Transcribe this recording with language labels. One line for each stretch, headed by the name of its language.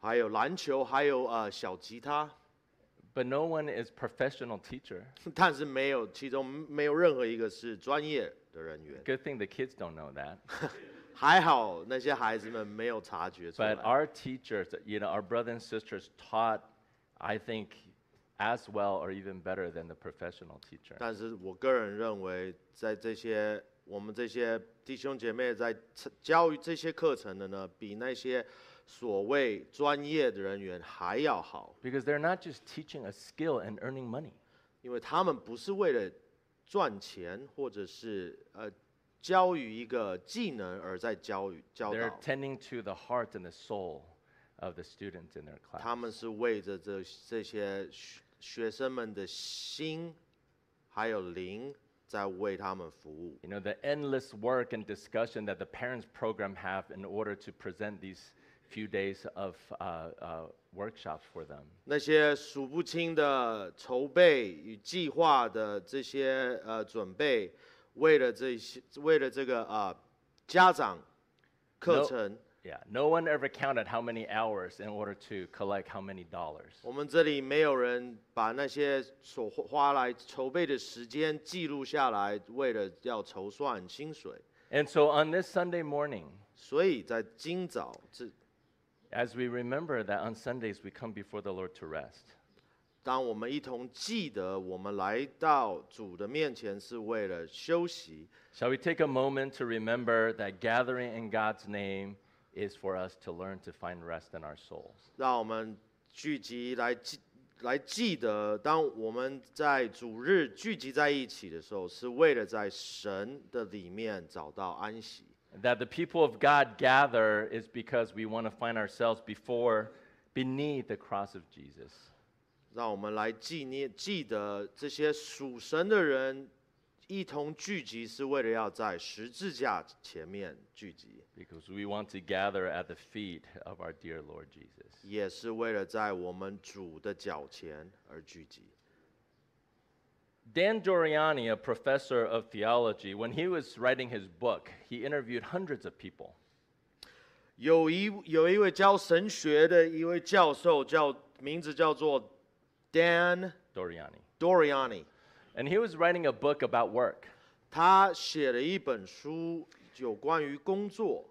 Chinese: 我们在这里教这些孩子们电子琴，还有篮球，还有小吉他。
English: But no one is professional teacher.
Chinese: 但是没有，其中没有任何一个是专业的人员。
English: Good thing the kids don't know that.
Chinese: 还好那些孩子们没有察觉出来。
English: But our teachers, you know, our brothers and sisters taught, I think, as well or even better than the professional teacher.
Chinese: 但是我个人认为，在这些我们这些弟兄姐妹在教育这些课程的呢，比那些所谓专业的人员还要好。
English: Because they're not just teaching a skill and earning money.
Chinese: 因为他们不是为了赚钱或者是
English: They're tending to the heart and the soul of the students in their class.
Chinese: 他们是为着这些学生们的心，还有灵在为他们服务。
English: You know, the endless work and discussion that the parents program have in order to present these few days of workshops for them.
Chinese: 那些数不清的筹备与计划的这些准备，为了这些，为了这个家长课程。
English: Yeah, no one ever counted how many hours in order to collect how many dollars.
Chinese: 我们这里没有人把那些所花来筹备的时间记录下来，为了要筹算薪水。
English: And so on this Sunday morning,
Chinese: 所以在今早这
English: as we remember that on Sundays we come before the Lord to rest.
Chinese: 当我们一同记得我们来到主的面前是为了休息。
English: Shall we take a moment to remember that gathering in God's name is for us to learn to find rest in our souls.
Chinese: 让我们聚集来记得，当我们在主日聚集在一起的时候，是为了在神的里面找到安息。
English: That the people of God gather is because we want to find ourselves before, beneath the cross of Jesus.
Chinese: 让我们来记得这些属神的人一同聚集是为了要在十字架前面聚集。
English: Because we want to gather at the feet of our dear Lord Jesus.
Chinese: 也是为了在我们主的脚前而聚集。
English: Dan Doriani, a professor of theology, when he was writing his book, he interviewed hundreds of people.
Chinese: 有一位教神学的一位教授叫名字叫做 Dan Doriani。 Doriani。
English: And he was writing a book about work.
Chinese: 他写了一本书有关于工作。